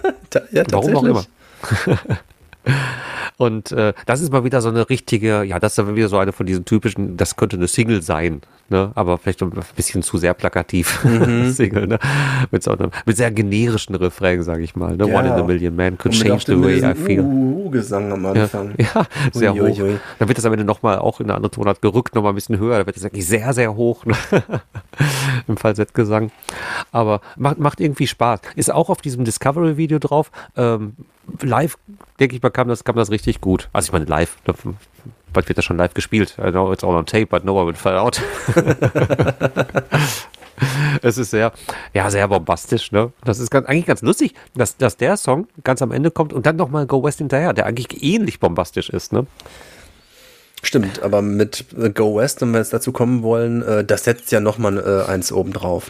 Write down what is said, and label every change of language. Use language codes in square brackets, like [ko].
[de] tatsächlich. Warum auch immer. Und das ist mal wieder so eine richtige, ja, das ist wieder so eine von diesen typischen, das könnte eine Single sein, ne? Aber vielleicht ein bisschen zu sehr plakativ, Single, ne? Mit so einem, mit sehr generischen Refrain, sag ich mal, ne? [en] Yeah. One in a Million Man could change the way I feel. [de] Gesang am Anfang. Ja, sehr hoch. Dann wird das am Ende nochmal auch in eine andere Tonart gerückt, nochmal ein bisschen höher, da wird das wirklich sehr, sehr hoch, ne? Im Falsettgesang. Aber macht irgendwie Spaß. Ist auch auf diesem Discovery-Video drauf. Live, denke ich mal, kam das richtig gut. Also ich meine live, bald wird das schon live gespielt. [en] I know it's all on tape, but no one will fall out. [de] Es ist sehr, ja, sehr bombastisch. Ne? Das ist eigentlich ganz lustig, dass der Song ganz am Ende kommt und dann nochmal Go West hinterher, der eigentlich ähnlich bombastisch ist. Ne? Stimmt, aber mit Go West, wenn wir jetzt dazu kommen wollen, das setzt ja nochmal eins oben drauf.